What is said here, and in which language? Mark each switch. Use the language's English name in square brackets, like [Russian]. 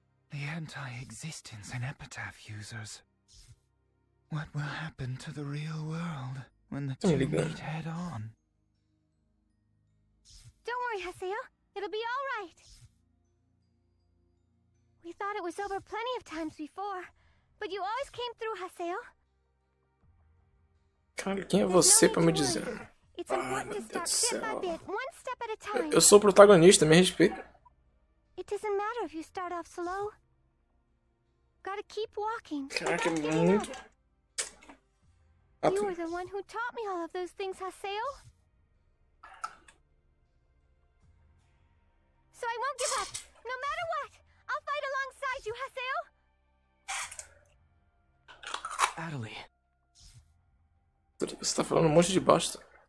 [English] The anti-existence and epitaph users. What will happen to the real world when the two meet head on? Don't worry, Haseo. It'll be all right. We thought it was over plenty of times before, but you always came through, Haseo. [Portuguese] Cara, quem é você pra me dizer? [English] It's important to start bit by bit, one step at a time. [Portuguese] Eu sou o protagonista, me respeita. [English] It doesn't matter if you start off slow. Gotta keep walking. [Portuguese] Caraca, muito. [English] You were the one who taught me all of those things, Haseo. So I won't give up. No matter what, I'll fight alongside you, Haseo. Adelie. [Portuguese] Você tá falando um monte de bosta.